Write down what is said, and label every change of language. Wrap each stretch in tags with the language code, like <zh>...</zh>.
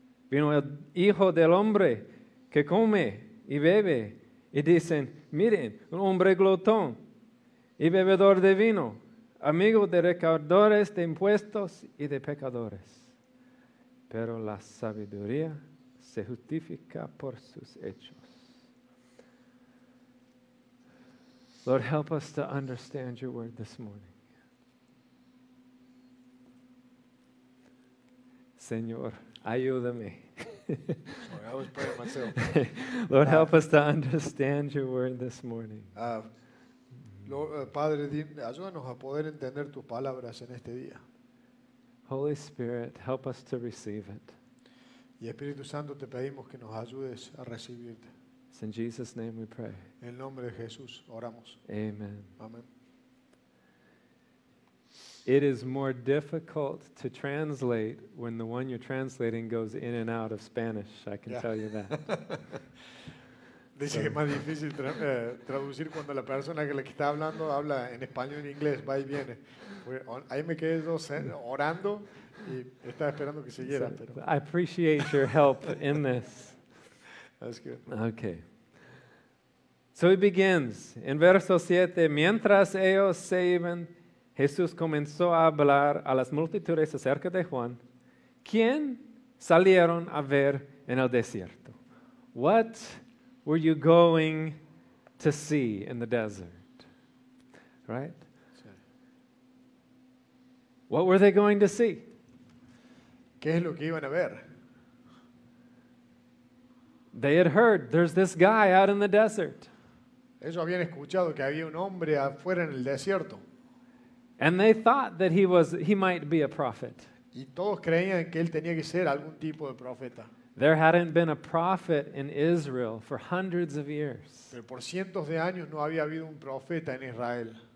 <es>Vino el Hijo del Hombre que come y bebe, y dicen: miren, un hombre glotón y bebedor de vino, amigo de recaudadores de impuestos y de pecadores. Pero la sabiduría se justifica por sus hechos.</es> <en>Lord, help us to understand your word this morning.</en> <es>Señor, ayúdame.</es> <en>Sorry, I was praying myself. Lord, help us to understand your word this morning.</en> <es>Padre, ayúdanos a poder entender tus palabras en este día.</es> <en>Holy Spirit, help us to receive it.</en> <es>Y Espíritu Santo, te pedimos que nos ayudes a recibirte.</es> <en>It's in Jesus' name we pray.</en> <es>En el nombre de Jesús, oramos.</es> <en>Amen. Amen. It is more difficult to translate when the one you're translating goes in and out of Spanish. I can tell you that.</en> <es>Dice que es más difícil traducir cuando la persona que le está hablando habla en español y en inglés, va y viene. Ahí me quedé yo orando y estaba esperando que siguiera.</es> <en>I appreciate your help in this. That's good. Okay. So it begins in</en> <es>verso 7. Mientras ellos se iban, Jesús comenzó a hablar a las multitudes acerca de Juan. ¿Quién salieron a ver en el desierto?</es> <en>What were you going to see in the desert? Right? What were they going to see?</en> <es>¿Qué es lo que iban a ver?</es> <en>They had heard there's this guy out in the desert.</en> <es>Ellos habían escuchado que había un hombre afuera en el desierto.</es> <en>And they thought that he might be a prophet.</en> <es>Y todos creían que él tenía que ser algún tipo de profeta.</es> <en>There hadn't been a prophet in Israel for hundreds of years.</en> <es>Pero por cientos de años no había habido un profeta en Israel.</es>